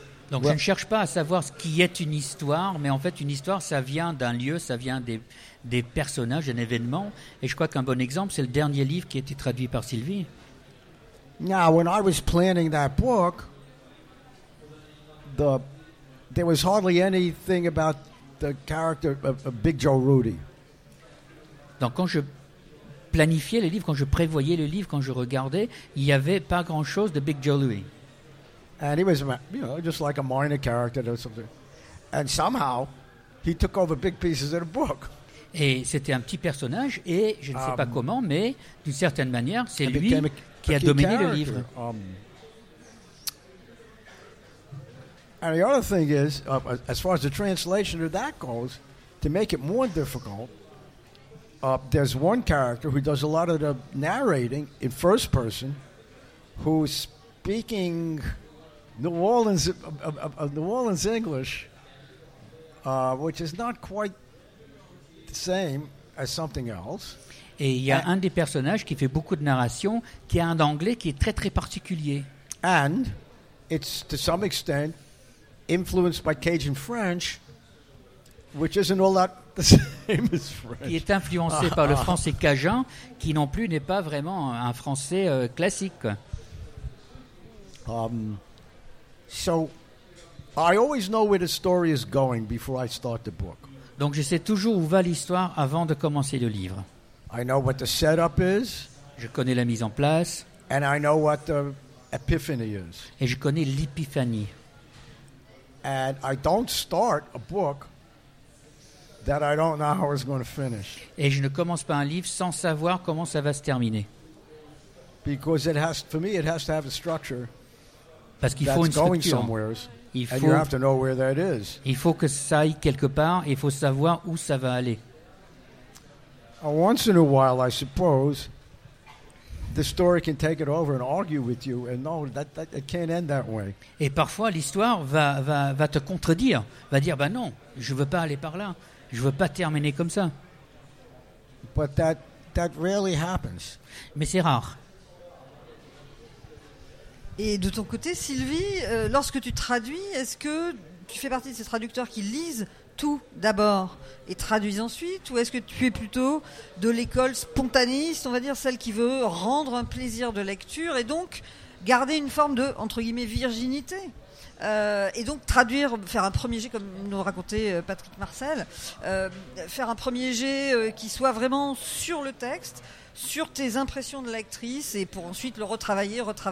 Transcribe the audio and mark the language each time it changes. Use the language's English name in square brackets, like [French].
[French] Donc, je ne cherche pas à savoir ce qui est une histoire, mais en fait, une histoire, ça vient d'un lieu, ça vient des personnages, d'un événement. Et je crois qu'un bon exemple, c'est le dernier livre qui a été traduit par Sylvie. [English] Now, when I was planning that book, there was hardly anything about the character of Big Joe Rudy. [French] Donc, quand je planifiais le livre, quand je prévoyais le livre, quand je regardais, il n'y avait pas grand-chose de Big Joe Rudy. [English] And he was, just like a minor character or something. And somehow, he took over big pieces of the book. [French] Et c'était un petit personnage, et je ne sais pas comment, mais d'une certaine manière, c'est lui qui a dominé le livre. [English] And the other thing is, as far as the translation of that goes, to make it more difficult, there's one character who does a lot of the narrating in first person, who's speaking New Orleans English, which is not quite the same as something else. [French] Et il y a un des personnages qui fait beaucoup de narration qui a un anglais qui est très très particulier. [English] And it's to some extent influenced by Cajun French, which isn't all that the same as French. [French] Qui est influencé par le français cajun, qui non plus n'est pas vraiment un français classique. [English] So, I always know where the story is going before I start the book. [French] Donc, je sais toujours où va l'histoire avant de commencer le livre. [English] I know what the setup is. [French] Je connais la mise en place. [English] And I know what the epiphany is. [French] Et je connais l'épiphanie. [English] And I don't start a book that I don't know how it's going to finish. [French] Et je ne commence pas un livre sans savoir comment ça va se terminer. [English] Because it has, for me, it has to have a structure. [French] Parce qu'il [English] that's [French] faut une structure. [English] And you have to know where that is. [French] Il faut que ça aille quelque part et il faut savoir où ça va aller. [English] Once in a while, I suppose, the story can take it over and argue with you and no, that it can't end that way. [French] Et parfois, l'histoire va te contredire, va dire, non, je ne veux pas aller par là, je ne veux pas terminer comme ça. [English] But that rarely happens. [French] Mais c'est rare. Et de ton côté, Sylvie, lorsque tu traduis, est-ce que tu fais partie de ces traducteurs qui lisent tout d'abord et traduisent ensuite, ou est-ce que tu es plutôt de l'école spontanéiste, on va dire, celle qui veut rendre un plaisir de lecture et donc garder une forme de, entre guillemets, virginité, et donc traduire, faire un premier jet, comme nous racontait Patrick Marcel, faire un premier jet qui soit vraiment sur le texte, sur tes impressions de l'actrice et pour ensuite le retravailler.